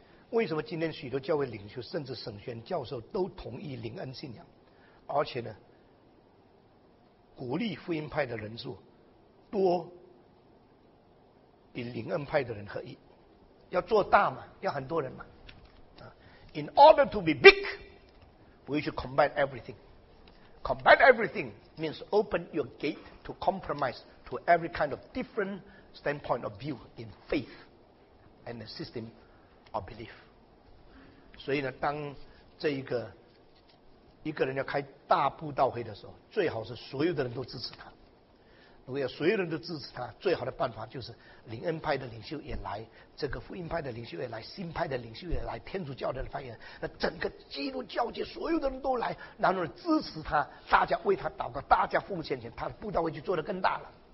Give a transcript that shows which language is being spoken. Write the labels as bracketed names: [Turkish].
[Chinese] 为什么今天许多教会领袖甚至神学教授都同意灵恩信仰，而且呢鼓励福音派的人数多比灵恩派的人合一？要做大嘛，要很多人嘛。 [English] In order to be big we should combine everythingCombine everything means open your gate to compromise to every kind of different standpoint of view in faith and the system of belief. [Chinese] 所以呢，当这一个人要开大布道会的时候，最好是所有的人都支持他。如果要所有人都支持他，最好的办法就是灵恩派的领袖也来，这个福音派的领袖也来，新派的领袖也来，天主教的发言，那整个基督教界所有的人都来，然后支持他，大家为他祷告，大家奉献钱，他的布道会就做得更大了。